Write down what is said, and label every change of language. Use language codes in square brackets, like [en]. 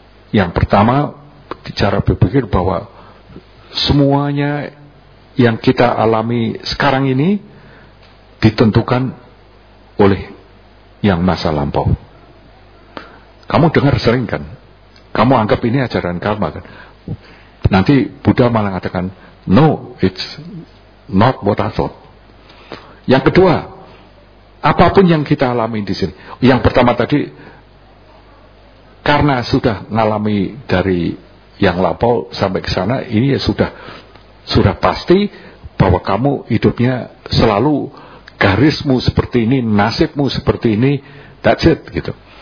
[id] Yang pertama, cara berpikir bahwa semuanya yang kita alami sekarang ini ditentukan oleh yang masa lampau. Kamu dengar sering kan? Kamu anggap ini ajaran karma kan? Nanti Buddha malah mengatakan, [en] no, it's not what I thought. [id] Yang kedua, apapun yang kita alami di sini, yang pertama tadi, karena sudah ngalami dari yang lampau sampai ke sana, ini ya sudah pasti bahwa kamu hidupnya selalu garismu seperti ini, nasibmu seperti ini, [en] that's it [id] gitu.